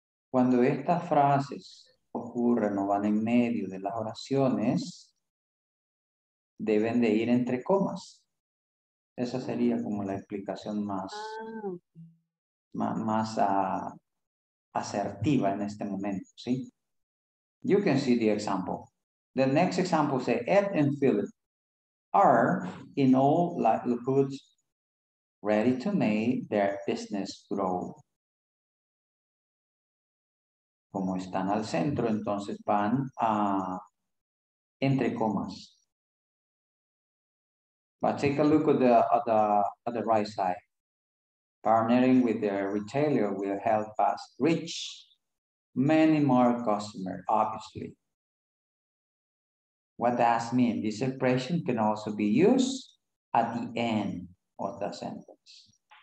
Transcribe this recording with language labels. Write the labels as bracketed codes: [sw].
[es] Cuando estas frases ocurren o van en medio de las oraciones, deben de ir entre comas. Esa sería como la explicación más, asertiva en este momento, ¿sí? [en] You can see the example. The next example says, Ed and Philip are in all likelihoods ready to make their business grow. [es] Como están al centro, entonces van a entre comas. [en] But take a look at the right side. Partnering with their retailer will help us reach many more customers, obviously. What does mean? This expression can also be used at the end of the sentence.